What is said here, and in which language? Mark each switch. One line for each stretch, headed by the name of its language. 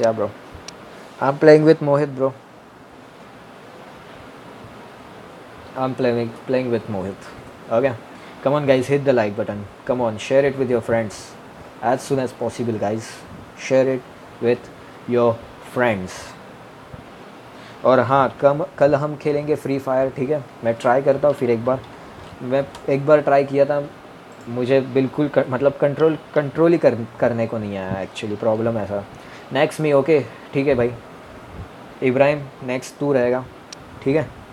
English: Yeah bro I am playing with Mohit, bro I'm playing with Mohit. Okay. Come on guys, hit the like button. Come on, share it with your friends. As soon as possible guys, share it with your friends.
Hindi: और हाँ, कल हम खेलेंगे free fire, ठीक है? मैं try करता हूँ फिर एक बार। मैं एक बार ट्राई किया था, मुझे बिल्कुल मतलब कंट्रोल ही करने को नहीं आया एक्चुअली, प्रॉब्लम ऐसा। नेक्स्ट मी, ओके ठीक है भाई। इब्राहिम नेक्स्ट तू रहेगा, ठीक है?